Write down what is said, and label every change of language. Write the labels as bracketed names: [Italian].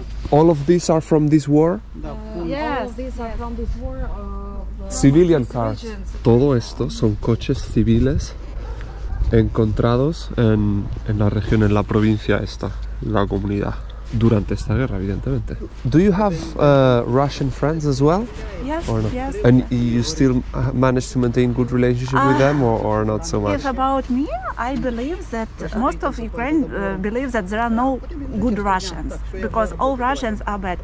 [English] All of these are from this war? Civilian cars. [Spanish] Todo esto son coches civiles encontrados en la región, en la provincia esta, la comunidad, durante esta guerra, evidentemente. [English] Do you have Russian friends as well? Yes, or not? Yes. And you still manage to maintain good relationship with them, or not so much? If about me, I believe that most of Ukraine believes that there are no good Russians, because all Russians are bad.